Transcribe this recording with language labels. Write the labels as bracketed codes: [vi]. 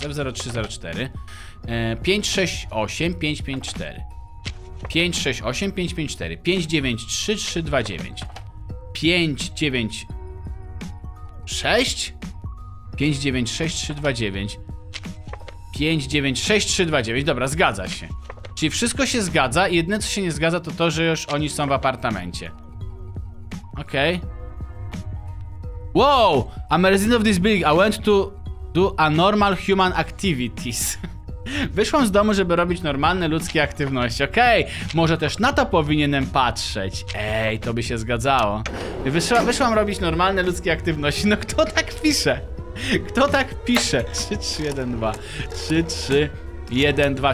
[pl] F0304 568554 568554 593329 596 596329 596329. Dobra, zgadza się. Czyli wszystko się zgadza, jedyne co się nie zgadza to to, że już oni są w apartamencie. Okej. Okay. Wow! [en] I'm a resident of this building, I went to do a normal human activities. [pl] Wyszłam z domu, żeby robić normalne ludzkie aktywności. Okej, okay. Może też na to powinienem patrzeć. Ej, to by się zgadzało. Wyszłam robić normalne ludzkie aktywności, no kto tak pisze? Kto tak pisze? 3312 3312.